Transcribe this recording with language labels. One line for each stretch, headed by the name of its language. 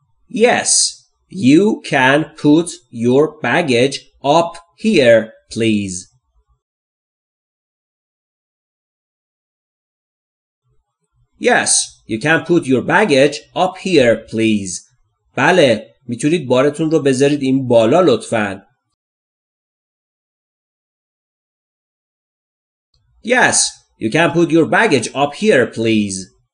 English: Yes, you can put your baggage up here, please. Yes, you can put your baggage up here, please.
Persian: بله, میتونید بارتون رو بذارید این بالا لطفاً.
English: Yes, you can put your baggage up here, please.